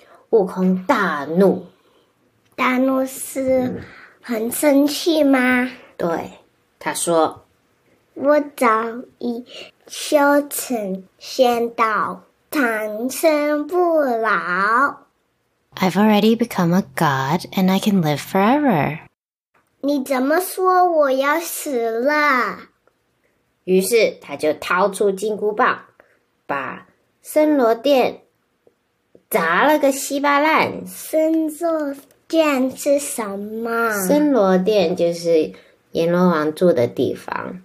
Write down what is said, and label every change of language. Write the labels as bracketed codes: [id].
[zh] 悟空大怒。大怒是很生气吗？对，他说，我早已修成仙道，长生不老。 [en] I've already become a god, and I can live forever. [zh] 你怎么说我要死了？于是他就掏出金箍棒，把僧罗殿砸了个稀巴烂。僧罗殿是什么？僧罗殿就是阎罗王住的地方。